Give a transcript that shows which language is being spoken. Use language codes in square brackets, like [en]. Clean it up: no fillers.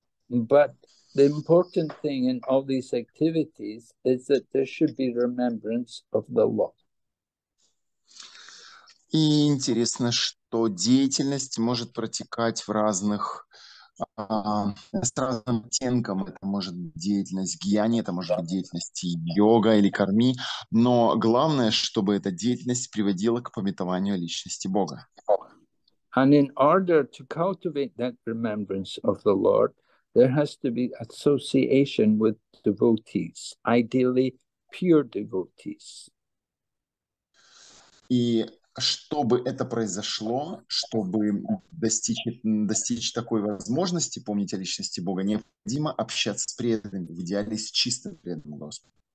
[en] But the important thing in all these activities is that there should be remembrance of the law. [ru] И интересно, что деятельность может протекать в разных, с разным оттенком. Это может быть деятельность гьяни, это может быть деятельность йога или карми. Но главное, чтобы эта деятельность приводила к памятованию личности Бога. [en] And in order to cultivate that remembrance of the Lord, there has to be association with devotees, ideally pure devotees. [ru] И чтобы это произошло, чтобы достичь такой возможности помнить о личности Бога, необходимо общаться с преданными, в идеале с чистым преданным Господом.